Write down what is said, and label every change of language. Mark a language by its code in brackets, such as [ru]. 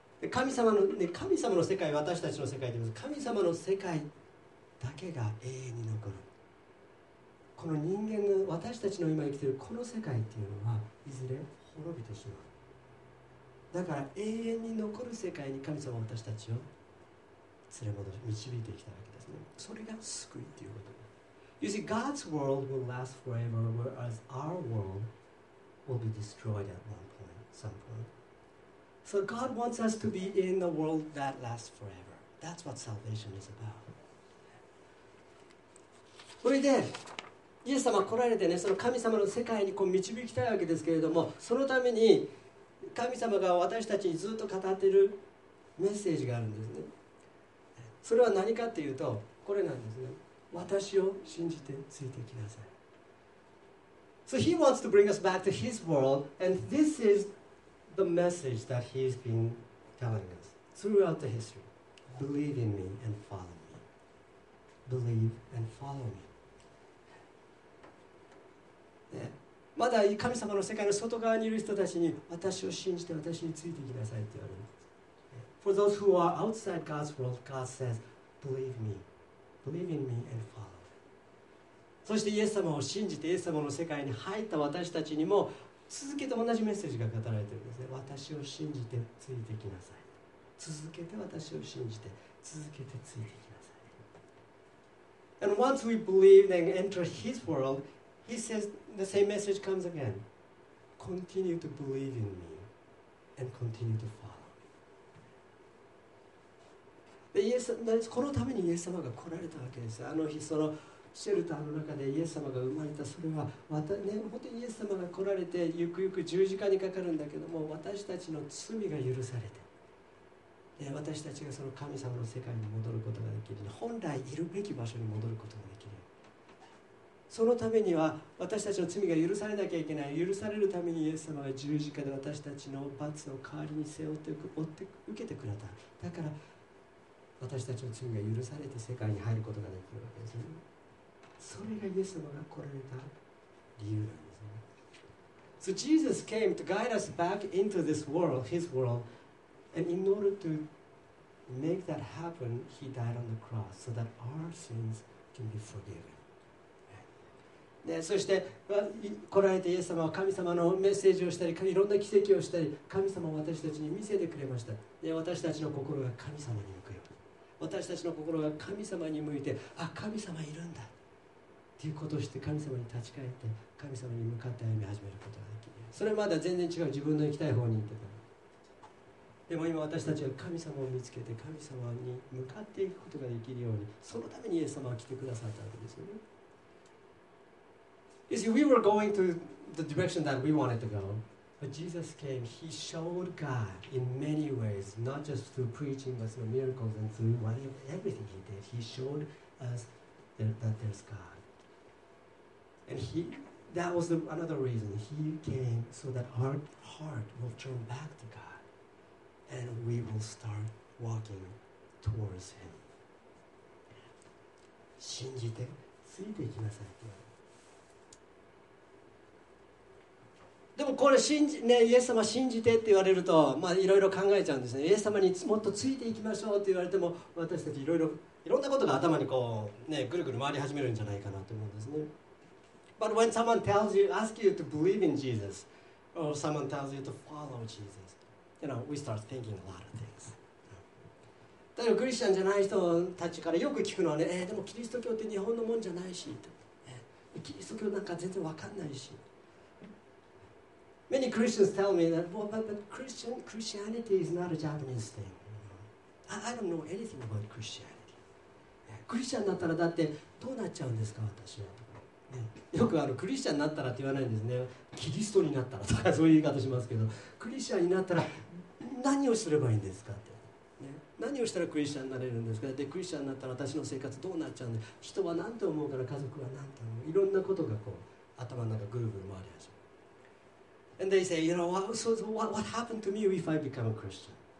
[ja] 神様の、ね、神様の世界、私たちの世界でも神様の世界だけが永遠に残る。この人間の私たちの今生きているこの世界っていうのはいずれ滅びてしまう。だから永遠に残る世界に神様は私たちを連れ戻し導いてきたわけですね。それが救いっていうこと。 [en] You see, God's world will last forever, whereas our world will be destroyed at one point, some point. So God wants us to be in the world that lasts forever. That's what salvation is about. [ja] それでイエス様来られてね、その神様の世界にこう導きたいわけですけれども、そのために神様が私たちにずっと語っているメッセージがあるんですね。それは何かっていうとこれなんですね。私を信じてついてきなさい。 [en] So he wants to bring us back to his world, and this is the message that he's been telling us throughout the history. Believe in me and follow me. Believe and follow me. [ja] ね、まだ神様の世界の外側にいる人たちに私を信じて私についてきなさいって言われるんです。 [en] For those who are outside God's world, God says, believe me. Believe in me and follow. [ja] そしてイエス様を信じてイエス様の世界に入った私たちにも続けて同じメッセージが語られているんですね。私を信じてついてきなさい。続けて私を信じて続けてついてきなさい。 [en] And once we believe and enter his world,He says the same message comes again. Continue to believe in me and continue to follow me. [ja] イエス、このためにイエス様が来られたわけです。あの日、そのシェルターの中でイエス様が生まれた、それは、ね、本当にイエス様が来られて、ゆくゆく十字架にかかるんだけども、私たちの罪が許されて、で私たちがその神様の世界に戻ることができる、本来いるべき場所に戻ることができる。そのためには私たちの罪が許されなきゃいけない。許されるためにイエス様が十字架で私たちの罰を代わりに背負って受けてくれた。だから私たちの罪が許されて世界に入ることができるわけですね。それがイエス様が来られた理由なんですね。 [en] So Jesus came to guide us back into this world, his world, and in order to make that happen, he died on the cross so that our sins can be forgiven. [ja] ね、そして来られてイエス様は神様のメッセージをしたり、いろんな奇跡をしたり、神様を私たちに見せてくれました。で私たちの心が神様に向くよ、私たちの心が神様に向いて、あ、神様いるんだということをして、神様に立ち返って神様に向かって歩み始めることができる。それはまだ全然違う、自分の行きたい方に行ってたの。でも今私たちは神様を見つけて神様に向かっていくことができるように、そのためにイエス様は来てくださったわけですよね。 [en] You see, we were going to the direction that we wanted to go, but Jesus came. He showed God in many ways, not just through preaching, but through miracles and through whatever, everything he did. He showed us that there's God. And that was another reason. He came so that our heart will turn back to God. And we will start walking towards him. [ja] 信じてついていきなさい。でもこれ信じ、ね、イエス様信じてって言われるといろいろ考えちゃうんですね。イエス様にもっとついていきましょうって言われても私たちいろいろいろんなことが頭にこう、ね、ぐるぐる回り始めるんじゃないかなと思うんですね。 [en] But when someone tells you, ask you to believe in Jesus or someone tells you to follow Jesus, you know, we start thinking a lot of things. [ja] 例えばクリスチャンじゃない人たちからよく聞くのはね、でもキリスト教って日本のもんじゃないし、キリスト教なんか全然わかんないし。 [en] Many Christians tell me that, well, but Christianity is not a Japanese thing. I don't know anything about Christianity. [ja] クリスチャンになったらだってどうなっちゃうんですか私は、ね、よくクリスチャンになったらって言わないんですね。キリストになったらとかそういう言い方しますけど、クリスチャンになったら何をすればいいんですかって、ね、何をしたらクリスチャンになれるんですか。でクリスチャンになったら私の生活どうなっちゃうんで、人は何と思うから、家族は何と思う、いろんなことがこう頭の中ぐるぐる回り始める。 [en] And they say, you know, what happened to me if I become a Christian?